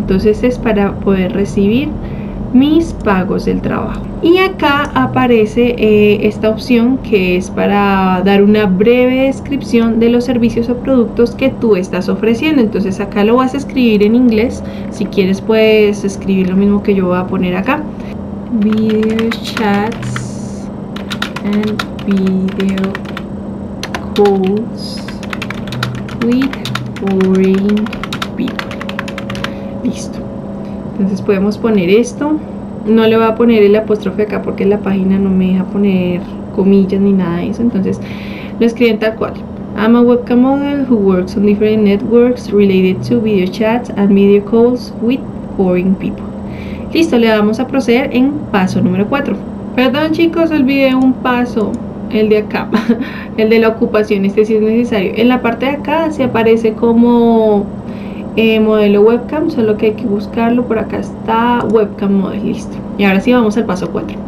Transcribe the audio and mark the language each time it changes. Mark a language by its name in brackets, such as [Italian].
[Spanish] Entonces es para poder recibir mis pagos del trabajo. Y acá aparece esta opción que es para dar una breve descripción de los servicios o productos que tú estás ofreciendo. Entonces acá lo vas a escribir en inglés. Si quieres puedes escribir lo mismo que yo voy a poner acá. [English] Video chats and video calls with foreign people. [Spanish] Listo. Entonces podemos poner esto. No le voy a poner el apóstrofe acá porque la página no me deja poner comillas ni nada de eso. Entonces lo escriben tal cual. [English] I'm a webcam model who works on different networks related to video chats and video calls with foreign people. [Spanish] Listo, le damos a proceder en paso número 4. Perdón, chicos, olvidé un paso, el de acá, el de la ocupación. Este sí es necesario. En la parte de acá se aparece como modelo webcam, solo que hay que buscarlo. Por acá está webcam model, listo. Y ahora sí vamos al paso 4.